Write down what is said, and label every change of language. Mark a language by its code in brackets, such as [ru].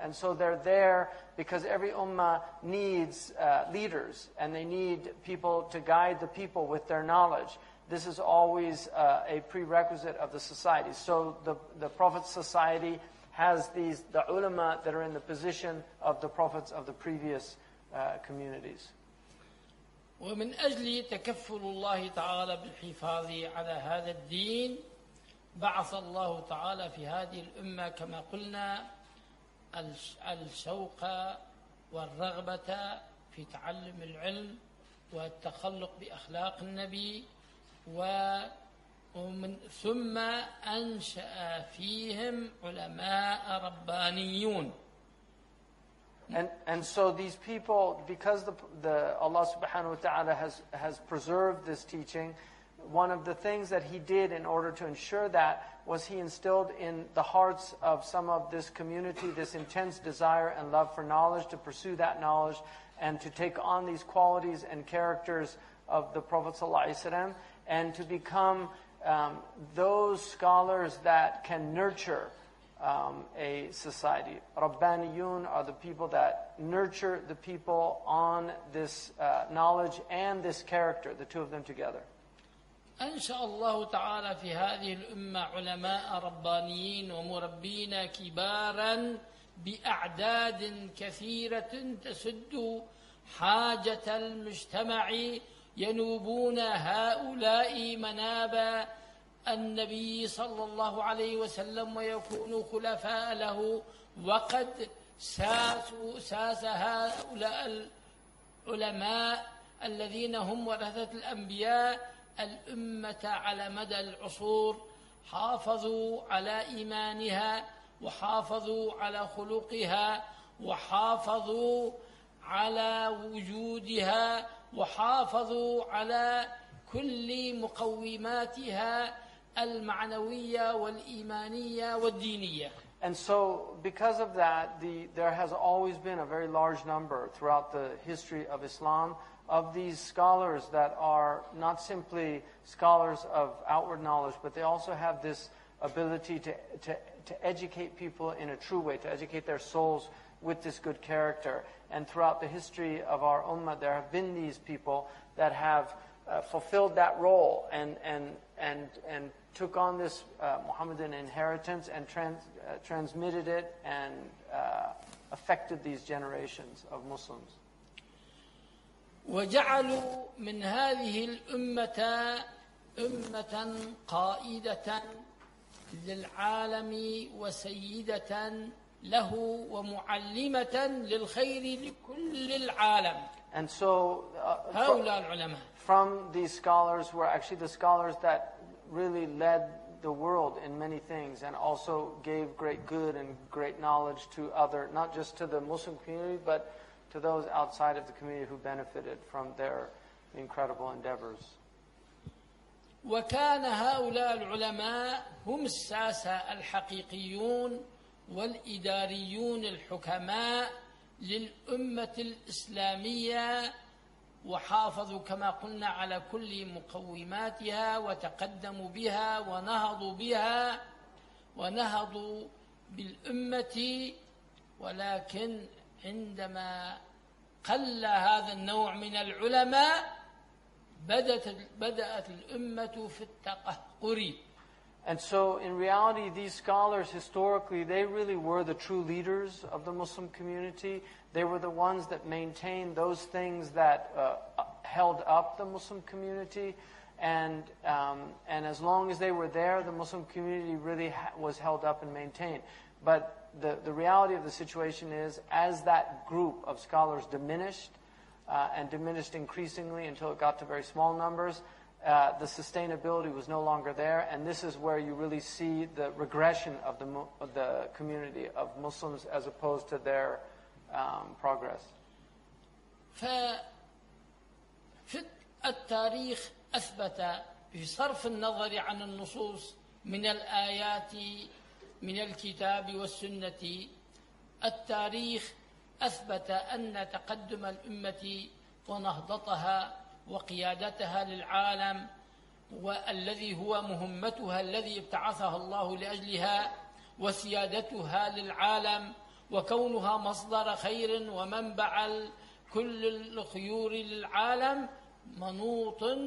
[en] And so they're there because every ummah needs leaders, and they need people to guide the people with their knowledge. This is always a prerequisite of the society. So the Prophet's society has these the ulama that are in the position of the prophets of the previous communities. [ar] ومن أجل تكفل الله تعالى بالحفاظ على هذا الدين بعث الله تعالى في هذه الأمة كما قلنا الشوق والرغبة في تعلم العلم والتخلق بأخلاق النبي ومن ثم أنشأ فيهم علماء ربانيون. [en] And so these people, because the Allah subhanahu wa ta'ala has preserved this teaching, One of the things that he did in order to ensure that was he instilled in the hearts of some of this community this intense desire and love for knowledge, to pursue that knowledge and to take on these qualities and characters of the Prophet ﷺ, and to become those scholars that can nurture a society. Rabbaniyun are the people that nurture the people on this knowledge and this character, the two of them together. [ar] أنشاء الله تعالى في هذه الأمة علماء ربانيين ومربين كبارا بأعداد كثيرة تسد حاجة المجتمع ينوبون هؤلاء مناب النبي صلى الله عليه وسلم ويكونوا خلفاء له وقد ساس هؤلاء العلماء الذين هم ورثة الأنبياء الأمة على مدى العصور حافظوا على إيمانها وحافظوا على خلقها وحافظوا على وجودها وحافظوا على كل مقوماتها المعنوية والإيمانية والدينية. [en] And so because of that, there has always been a very large number throughout the history of Islam of these scholars that are not simply scholars of outward knowledge, but they also have this ability to educate people in a true way, to educate their souls with this good character. And throughout the history of our ummah, there have been these people that have fulfilled that role and took on this Muhammadan inheritance and transmitted it and affected these generations of Muslims. [ar] وجعلوا من هذه الأمة أمة قائدة للعالم وسيدة له ومعلمة للخير لكل العالم. [en] And so [ar] هؤلاء العلماء [en] from these scholars were actually the scholars that really led the world in many things and also gave great good and great knowledge to other, not just to the Muslim community, but to those outside of the community who benefited from their incredible endeavors. [ar] وكان هؤلاء العلماء هم الساسة الحقيقيون والإداريون الحكماء للأمة الإسلامية وحافظوا كما قلنا على كل مقوماتها وتقدموا بها ونهضوا بها ونهضوا بالأمة ولكن عندما قل هذا النوع من العلماء بدأت الأمة في التقهقر. [en] And so in reality these scholars historically they really were the true leaders of the Muslim community. They were the ones that maintained those things that held up the Muslim community, and as long as they were there the Muslim community really was held up and maintained. But the reality of the situation is, as that group of scholars diminished and diminished increasingly until it got to very small numbers, the sustainability was no longer there. And this is where you really see the regression of the community of Muslims as opposed to their progress. [ar] في التاريخ أثبت بصرف النظر عن النصوص من الآيات من الكتاب والسنة التاريخ أثبت أن تقدم الأمة ونهضتها وقيادتها للعالم والذي هو مهمتها الذي ابتعثها الله لأجلها وسيادتها للعالم وكونها مصدر خير ومنبع كل الخيور للعالم منوط